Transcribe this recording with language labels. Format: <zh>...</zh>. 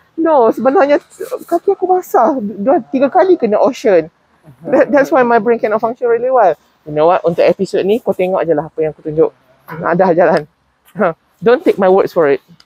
<ms>No, sebenarnya kaki aku basah. Dua, tiga kali kena ocean.</ms> <en>That's why my brain cannot function really well. You know what?</en> <ms>Untuk episode ni, kau tengok je lah apa yang aku tunjuk. Dah jalan.</ms> <en>Don't take my words for it.</en>